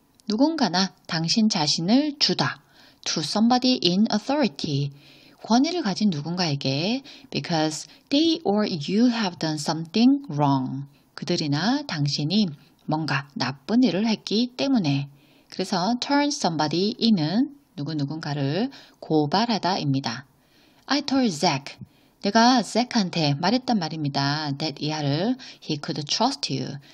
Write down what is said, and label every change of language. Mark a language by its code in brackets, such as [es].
[ko] 누군가나 당신 자신을 주다. [en] To somebody in authority. [ko] 권위를 가진 누군가에게. [en] Because they or you have done something wrong. [ko] 그들이나 당신이 뭔가 나쁜 일을 했기 때문에. 그래서 [en] turn somebody in [ko] 은 누구누군가를 고발하다입니다. [en] I told Zach. [ko] 내가 Zach한테 말했단 말입니다. That 이하를 [en] he could trust you.